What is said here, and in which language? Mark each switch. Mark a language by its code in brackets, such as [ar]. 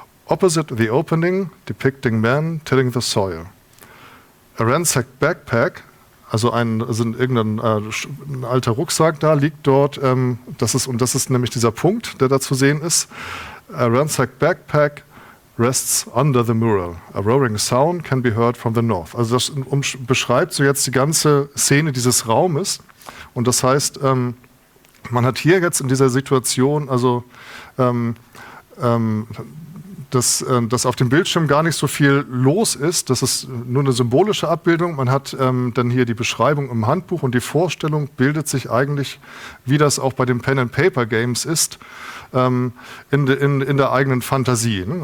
[en] Opposite the opening, depicting men tilling the soil. A ransacked backpack, [de] ein alter Rucksack da, liegt dort, das ist nämlich dieser Punkt, der da zu sehen ist. [en] A ransacked backpack rests under the mural. A roaring sound can be heard from the north. [de] Also das beschreibt so jetzt die ganze Szene dieses Raumes. Und das heißt, man hat hier jetzt in dieser Situation, also dass auf dem Bildschirm gar nicht so viel los ist. Das ist nur eine symbolische Abbildung. Man hat dann hier die Beschreibung im Handbuch und die Vorstellung bildet sich eigentlich, wie das auch bei den Pen-and-Paper-Games ist, in der eigenen Fantasie. Ne?